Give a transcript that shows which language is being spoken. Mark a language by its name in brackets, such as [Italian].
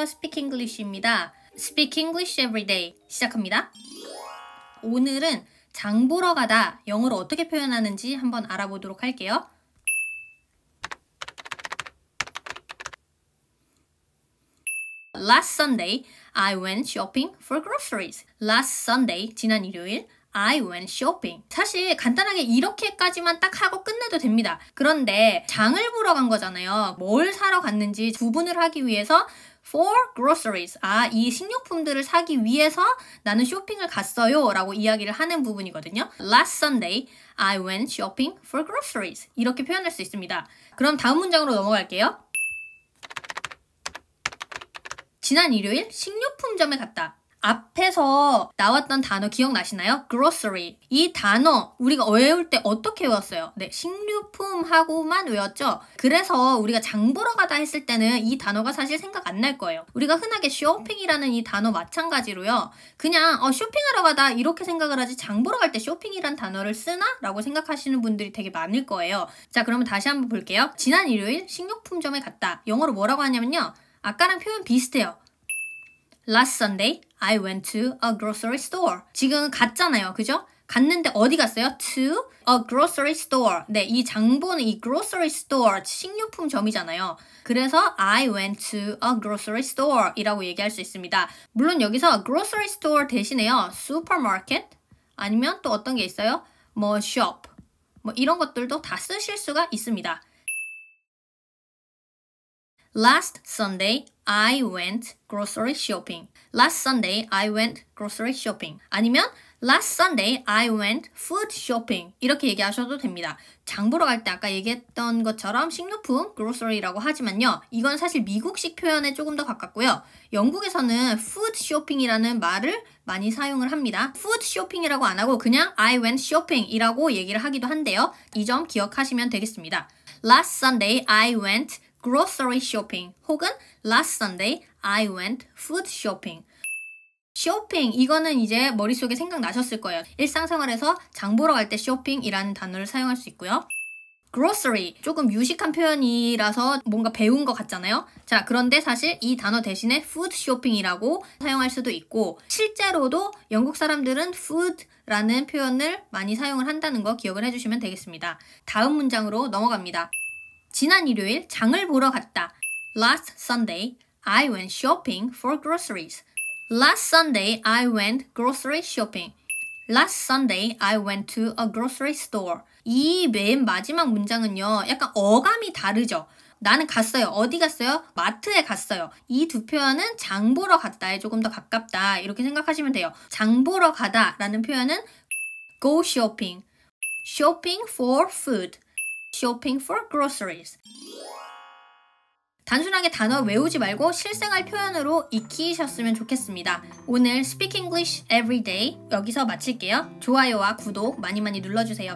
[English] Speak English [Korean] 입니다. [English] Speak English every day [Korean] 시작합니다. 오늘은 장 보러 가다 영어로 어떻게 표현하는지 한번 알아보도록 할게요. [English] Last Sunday, I went shopping for groceries. Last Sunday, [Korean] 지난 일요일, [English] I went shopping. [Korean] 사실 간단하게 이렇게까지만 딱 하고 끝내도 됩니다. 그런데 장을 보러 간 거잖아요. 뭘 사러 갔는지 구분을 하기 위해서 [English] for groceries. [Korean] 아, 이 식료품들을 사기 위해서 나는 쇼핑을 갔어요 라고 이야기를 하는 부분이거든요. [English] Last Sunday, I went shopping for groceries. [Korean] 이렇게 표현할 수 있습니다. 그럼 다음 문장으로 넘어갈게요. 지난 일요일 식료품점에 갔다. 앞에서 나왔던 단어 기억나시나요? [English] grocery. [Korean] 이 단어 우리가 외울 때 어떻게 외웠어요? 네, 식료품하고만 외웠죠? 그래서 우리가 장 보러 가다 했을 때는 이 단어가 사실 생각 안 날 거예요. 우리가 흔하게 쇼핑이라는 이 단어 마찬가지로요. 그냥 쇼핑하러 가다 이렇게 생각을 하지 장 보러 갈 때 쇼핑이란 단어를 쓰나? 라고 생각하시는 분들이 되게 많을 거예요. 자, 그러면 다시 한번 볼게요. 지난 일요일 식료품점에 갔다. 영어로 뭐라고 하냐면요. 아까랑 표현 비슷해요. [English] Last Sunday, I went to a grocery store. [Korean] 지금 갔잖아요, 그죠? 갔는데 어디 갔어요? [English] To a grocery store. [Korean] 네, 이 장본은 이 grocery store, 식료품점이잖아요. 그래서 [English] I went to a grocery store [Korean] 이라고 얘기할 수 있습니다. 물론 여기서 grocery store 대신에요, supermarket 아니면 또 어떤 게 있어요? 뭐 shop, 뭐 이런 것들도 다 쓰실 수가 있습니다. [English] Last Sunday, I went grocery shopping. Last Sunday, I went grocery shopping. [Korean] 아니면 [English] Last Sunday, I went food shopping. [Korean] 이렇게 얘기하셔도 됩니다. 장 보러 갈 때 아까 얘기했던 것처럼 식료품, grocery라고 하지만요. 이건 사실 미국식 표현에 조금 더 가깝고요. 영국에서는 food shopping이라는 말을 많이 사용을 합니다. food shopping이라고 안 하고 그냥 [English] I went shopping [Korean] 이라고 얘기를 하기도 한데요. 이 점 기억하시면 되겠습니다. [English] Last Sunday, I went grocery shopping [Korean] 혹은 [English] last Sunday I went food shopping. [Korean] shopping 이거는 이제 머릿속에 생각나셨을 거예요. 일상생활에서 장 보러 갈 때 shopping이라는 단어를 사용할 수 있고요. grocery 조금 유식한 표현이라서 뭔가 배운 것 같잖아요. 자, 그런데 사실 이 단어 대신에 food shopping이라고 사용할 수도 있고 실제로도 영국 사람들은 food라는 표현을 많이 사용을 한다는 거 기억을 해주시면 되겠습니다. 다음 문장으로 넘어갑니다. 지난 일요일 장을 보러 갔다. [English] Last Sunday, I went shopping for groceries. Last Sunday, I went grocery shopping. Last Sunday, I went to a grocery store. [Korean] 이 맨 마지막 문장은요, 약간 어감이 다르죠? 나는 갔어요. 어디 갔어요? 마트에 갔어요. 이 두 표현은 장 보러 갔다에 조금 더 가깝다. 이렇게 생각하시면 돼요. 장 보러 가다 라는 표현은 [English] go shopping, shopping for food. Shopping for groceries. [Korean] 단순하게 단어 외우지 말고 실생활 표현으로 익히셨으면 좋겠습니다. 오늘 Speak English Everyday 여기서 마칠게요. 좋아요와 구독 많이 많이 눌러주세요.